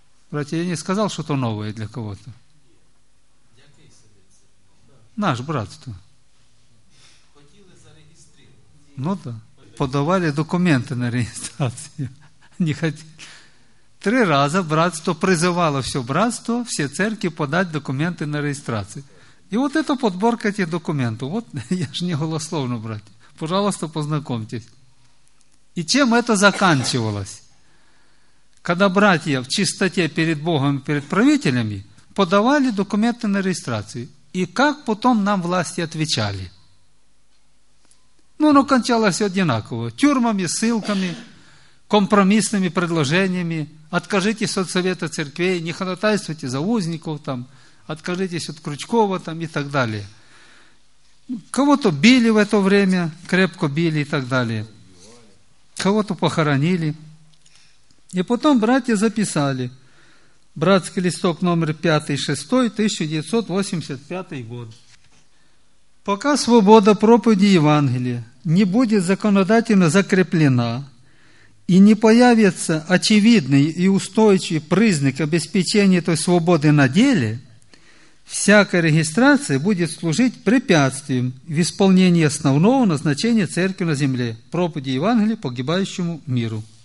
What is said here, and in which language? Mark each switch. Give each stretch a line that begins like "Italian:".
Russian: Братья, я не сказал что-то новое для кого-то. Наш братство. Хотели зарегистрировать. Ну да. Подавали документы на регистрацию. Не хотели.
Ukrainian: Три рази братство призивало все братство, всі церкви подати документи на реєстрацію. І от це підборка цих документів. От я ж не голословно, браті.
Russian: Пожалуйста,
Ukrainian: познайомтесь. І чим це закінчувалось? Коли братія в чистоті перед Богом і перед правителями подавали документи на реєстрацію. І як потім нам власті відповідали? Ну, воно кінчалося однаково.
Russian: Тюрмами, ссылками, компромісними предложеннями. Откажитесь от совета церквей, не ходатайствуйте за узников, там, откажитесь от Крючкова там,
Ukrainian: і так далі.
Russian: Кого-то били в это время, крепко били
Ukrainian: і так далі.
Russian: Кого-то похоронили.
Ukrainian: І потім братья записали. Братський листок номер 5-6, 1985 год.
Russian: Пока свобода проповеди Евангелия не будет законодательно закреплена и не появится очевидный и устойчивый признак обеспечения этой свободы на деле, всякая регистрация будет служить препятствием в исполнении основного назначения церкви на земле – проповеди Евангелия погибающему миру.